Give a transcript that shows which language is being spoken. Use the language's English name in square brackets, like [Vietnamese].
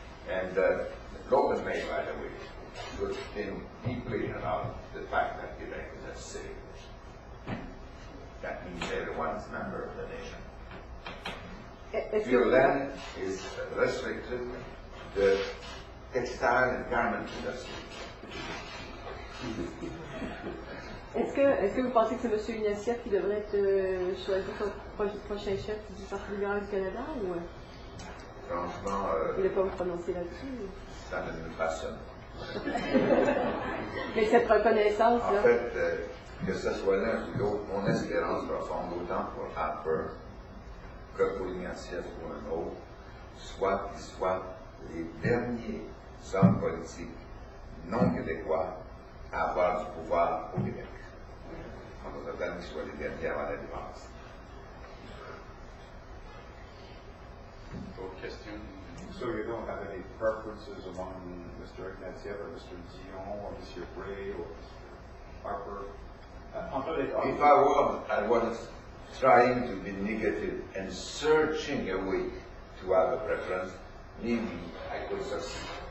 [English] And the local name, by the way, should think deeply about the fact that Quebec is a civic nation. That means everyone's member of the nation. Your land is restricted to the textile and garment industry. [French] Est-ce que vous pensez que c'est M. Ignatieff qui devrait être choisi comme prochain chef du Parti libéral du Canada ou? Franchement, il ne peut pas vous prononcer là-dessus. Ça ne me passionne. Mais cette reconnaissance. En fait, que ce soit l'un ou l'autre, mon espérance profonde, autant pour Harper que pour Ignatieff ou un autre, soit les derniers hommes politiques non québécois à avoir du pouvoir au Québec. En d'autres termes, ils soient les derniers à l'indépendance. D'autres questions? [English] So you don't have any preferences among Mr. Ignatieff or Mr. Dion or Mr. Gray or Mr. Harper? If I were, I was trying to be negative and searching a way to have a preference, maybe I could succeed.